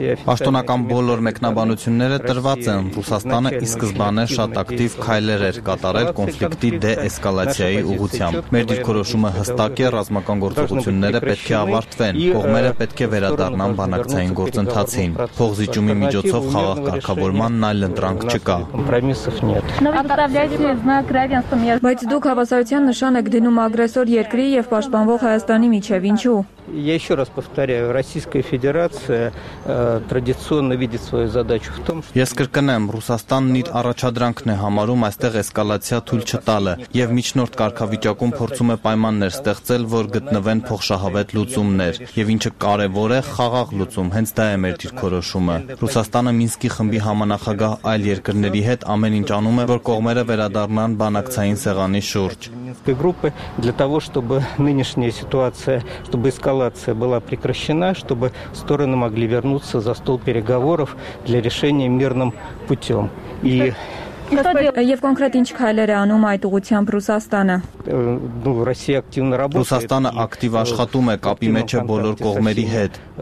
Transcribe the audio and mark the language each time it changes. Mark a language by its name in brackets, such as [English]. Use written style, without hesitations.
[Armenian] Պաշտոնական բոլոր մեկնաբանությունները տրված են, Ռուսաստանը ի սկզբանե շատ ակտիվ քայլեր էր կատարել կոնֆլիկտի դեէսկալացիայի ուղղությամբ։ Մեր դիրքորոշումը հստակ է, ռազմական գործողությունները պետք է ավարտվեն, կողմերը պետք է վերադառնան բանակցային գործընթացին։ Ուզիջումի միջոցով խաղաղ կարգավորման այլ ընտրանք չկա։ Բայց դուք հավասարության նշան եք դնում ագրեսոր երկրի եւ պաշտպանվող Հայաստանի միջև, ինչու՞։ [Russian] Ещё раз повторяю, Российская Федерация традиционно видит свою задачу в том, что [Armenian] Ես կրկնեմ, Ռուսաստանն իր առաջադրանքն է համարում այստեղ էսկալացիա թույլ չտալը եւ միջնորդ կարգավիճակում փորձում է պայմաններ ստեղծել, որ գտնվեն փոխշահավետ լուծումներ, եւ ինչը կարեւոր է, խաղաղ լուծում, հենց դա է մեր դիրքորոշումը։ Ռուսաստանը Մինսկի խմբի համանախագահ այլ երկրների հետ ամեն ինչ անում է, որ կողմերը վերադառնան բանակցային սեղանի շուրջ։ [Russian] Մինսկի группы для того, чтобы нынешняя ситуация, чтобы эскалация была прекращена, чтобы стороны могли вернуться за стол переговоров для решения мирным путем. И [Armenian] Եվ կոնկրետ ինչ քայլեր է անում այդ ուղությամբ Ռուսաստանը։ Ռուսաստանը ակտիվ աշխատում է կապի մեջ բոլոր կողմերի հետ։